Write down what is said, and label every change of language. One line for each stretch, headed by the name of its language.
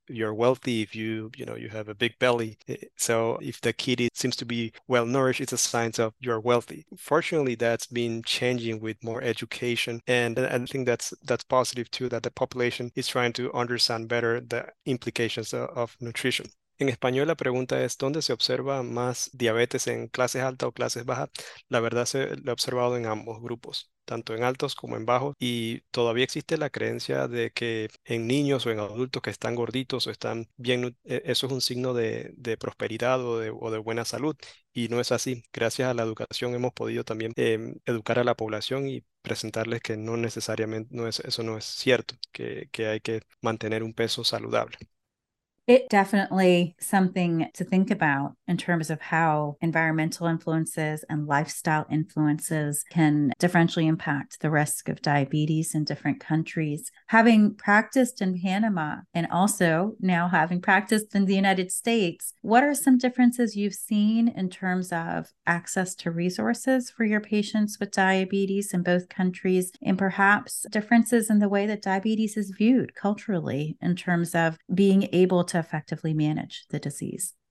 English: You're wealthy if you have a big belly. So if the kid seems to be well nourished, it's a sign of you're wealthy. Fortunately, that's been changing with more education, and I think that's positive too, that the population is trying to understand better the implications of nutrition.
Spanish: En español la pregunta es, ¿dónde se observa más diabetes en clases altas o clases bajas? La verdad se lo he observado en ambos grupos, tanto en altos como en bajos, y todavía existe la creencia de que en niños o en adultos que están gorditos o están bien, eso es un signo de prosperidad o de buena salud, y no es así. Gracias a la educación hemos podido también educar a la población y presentarles que no necesariamente, no es, eso no es cierto, que hay que mantener un peso saludable.
English: It definitely something to think about in terms of how environmental influences and lifestyle influences can differentially impact the risk of diabetes in different countries. Having practiced in Panama and also now having practiced in the United States, what are some differences you've seen in terms of access to resources for your patients with diabetes in both countries, and perhaps differences in the way that diabetes is viewed culturally in terms of being able to effectively manage the disease?